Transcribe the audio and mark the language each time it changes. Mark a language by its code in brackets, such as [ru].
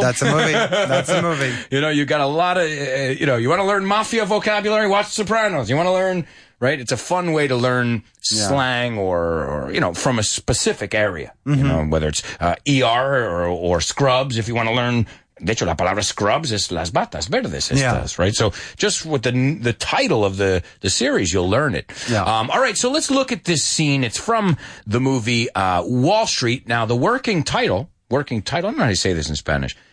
[en] That's a movie. You know, you got a lot of, you know, you want to learn mafia vocabulary? Watch Sopranos. You want to learn, right? It's a fun way to learn slang or you know, from a specific area. Mm-hmm. You know, whether it's ER or Scrubs, if you want to learn. [es] De hecho, la palabra Scrubs es las batas verdes estas, right? [en] So just with the title of the series, you'll learn it. Yeah. All right, so let's look at this scene. It's from the movie Wall Street. Now, the working title... Working title. I don't know how to say this in Spanish.